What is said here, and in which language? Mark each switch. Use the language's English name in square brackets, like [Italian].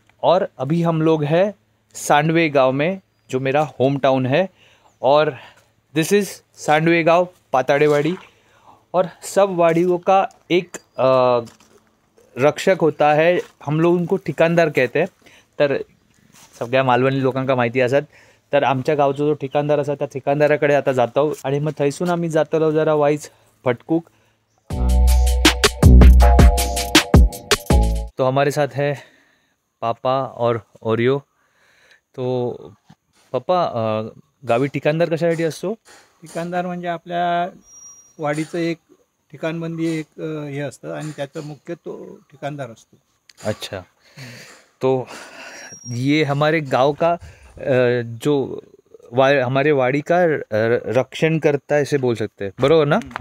[Hindi] और अभी हम लोग है सांडवे गांव में, जो मेरा होम टाउन है, और [English] this is [Hindi] सांडवे गांव पाताड़ेवाड़ी। और सब वाड़ियों का एक रक्षक होता है, हम लोग उनको ठिकानदार कहते हैं। [Marathi] तर सगळ्या मालवणी लोकांका माहिती असत, तर आमच्या गावचा जो ठिकाणदार असा त्या ठिकाणदाराकडे आता जातो आणि मग थैसून आम्ही जातो जरा वाईज फटकूक। [Hindi] तो हमारे साथ है पापा और ओरियो। [Marathi] तो पापा, गावी ठिकाणदार कशासाठी असतो? ठिकाणदार म्हणजे आपल्या वाडीचं एक ठिकाणबंदी एक हे असतं आणि त्याचं मुख्य तो ठिकाणदार असतो। [Hindi] अच्छा, तो ये हमारे गांव का जो हमारे वाड़ी का रक्षण करता है, इसे बोल सकते हैं, [Marathi] बरोबर ना?